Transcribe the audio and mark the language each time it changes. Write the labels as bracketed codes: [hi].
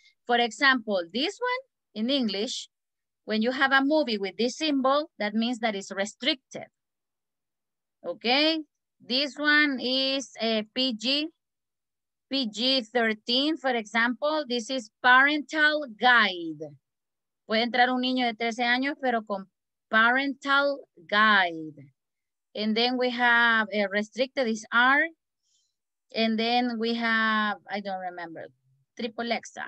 [en] For example, this one in English, when you have a movie with this symbol, that means that it's restricted. Okay, this one is a PG-13, for example. This is parental guide. [es] Puede entrar un niño de 13 años, pero con [en] parental guide. And then we have a restricted is R. And then we have, I don't remember, triple X.